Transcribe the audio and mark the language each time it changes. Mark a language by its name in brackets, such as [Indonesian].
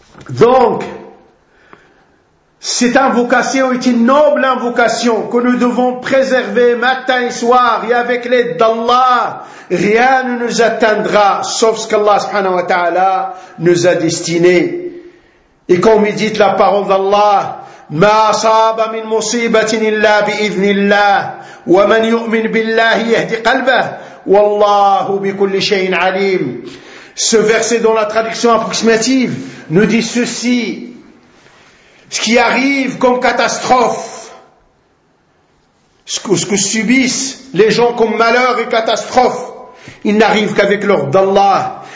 [French] Donc, cette invocation est une noble invocation que nous devons préserver matin et soir, et avec l'aide d'Allah, rien ne nous atteindra, sauf ce qu'Allah subhanahu wa ta'ala nous a destiné. Et comme il dit la parole d'Allah, [Arabic] ما أصاب من مصيبة إلا بإذن الله ومن يؤمن بالله يهدي قلبه والله بكل شيء عليم. [French] Ce verset dans la traduction approximative nous dit ceci: ce qui arrive comme catastrophe, ce que subissent les gens comme malheur et catastrophe, il n'arrive qu'avec l'ordre d'Allah.